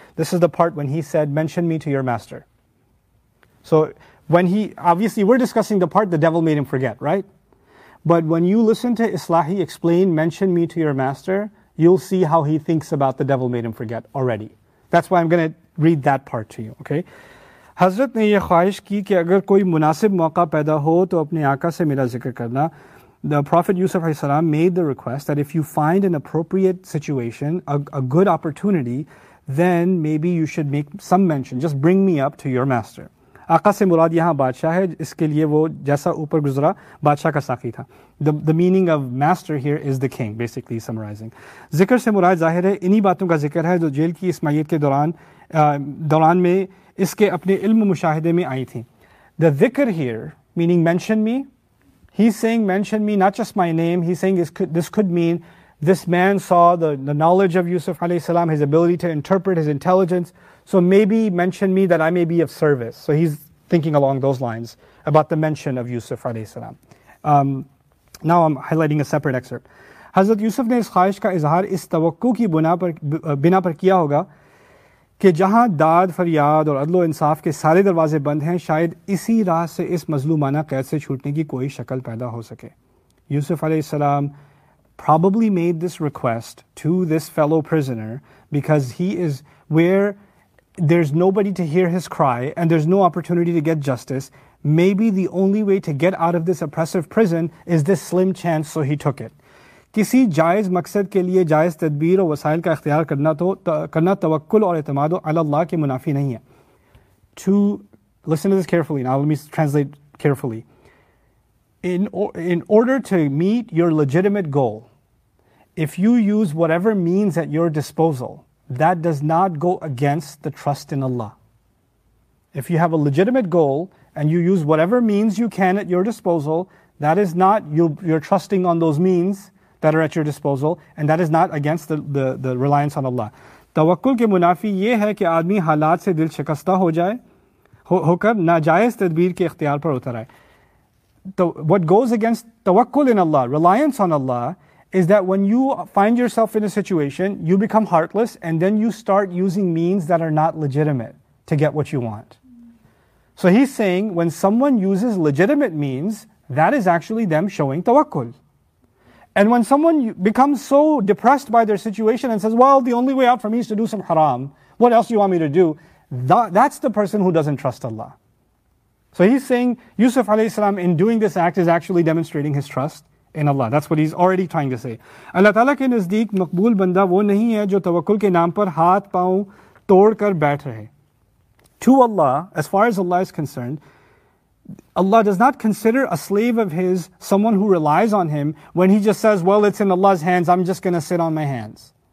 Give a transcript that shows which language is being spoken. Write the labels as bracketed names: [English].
[English] This is the part when he said, mention me to your master. So when he, obviously we're discussing the part the devil made him forget, right? But when you listen to Islahi explain, mention me to your master, you'll see how he thinks about the devil made him forget already. That's why I'm going to read that part to you, okay? [Urdu] حضرت نے یہ خواہش کی کہ اگر کوئی مناسب موقع پیدا ہو تو اپنے آقا سے میرا ذکر کرنا۔ [English] The Prophet Yusuf alayhi salam made the request that if you find an appropriate situation, a good opportunity, then maybe you should make some mention. Just bring me up to your master. [Urdu] آقا سے مراد یہاں بادشاہ ہے، اس کے لیے وہ جیسا اوپر گزرا، بادشاہ کا ساقی تھا۔ [English] The meaning of master here is the king, basically summarizing. [Urdu] ذکر سے مراد ظاہر ہے، انہی باتوں کا ذکر ہے، جو جیل کی اسمعیت کے دوران میں، اس کے اپنے علم مشاہدے میں آئی تھی۔ [English] The zikr here, meaning mention me, he's saying mention me, not just my name, he's saying this could mean this man saw the knowledge of Yusuf alayhi salam, his ability to interpret, his intelligence, so maybe mention me that I may be of service. So he's thinking along those lines about the mention of Yusuf alayhi salam. Now I'm highlighting a separate excerpt. [Urdu] حضرت یوسف نے اس خواہش کا اظہار اس توقع کی بنا پر کیا ہوگا کہ جہاں داد فریاد اور عدل و انصاف کے سارے دروازے بند ہیں شاید اسی راہ سے اس مظلومانہ قید سے چھوٹنے کی کوئی شکل پیدا ہو سکے۔ [English] Yusuf alayhi salam probably made this request to this fellow prisoner because he is where there's nobody to hear his cry and there's no opportunity to get justice. Maybe the only way to get out of this oppressive prison is this slim chance, so he took it. [Urdu] کسی جائز مقصد کے لیے جائز تدبیر اور وسائل کا اختیار کرنا توکل اور اعتماد علی اللہ کے منافی نہیں ہے۔ [English] To listen to this carefully now, let me translate carefully. In order to meet your legitimate goal, if you use whatever means at your disposal, that does not go against the trust in Allah. If you have a legitimate goal and you use whatever means you can at your disposal, that is not, you're trusting on those means that are at your disposal, and that is not against the reliance on Allah. [Urdu] توکل کے منافی یہ ہے کہ آدمی حالات سے دل شکستہ ہو جائے، ہو کر ناجائز تدبیر کے اختیار پر اتر آئے۔ [English] What goes against tawakkul in Allah, reliance on Allah, is that when you find yourself in a situation, you become heartless and then you start using means that are not legitimate to get what you want. So he's saying when someone uses legitimate means, that is actually them showing tawakkul. And when someone becomes so depressed by their situation and says, well, the only way out for me is to do some haram, what else do you want me to do? That's the person who doesn't trust Allah. So he's saying Yusuf alayhi salam in doing this act is actually demonstrating his trust in Allah. That's what he's already trying to say. [Urdu] اللہ تعالیٰ کے نزدیک مقبول بندہ وہ نہیں ہے جو توکل کے نام پر ہاتھ پاؤں توڑ کر بیٹھ رہے۔ [English] To Allah, as far as Allah is concerned, Allah does not consider a slave of His someone who relies on Him when He just says, well, it's in Allah's hands, I'm just going to sit on my hands.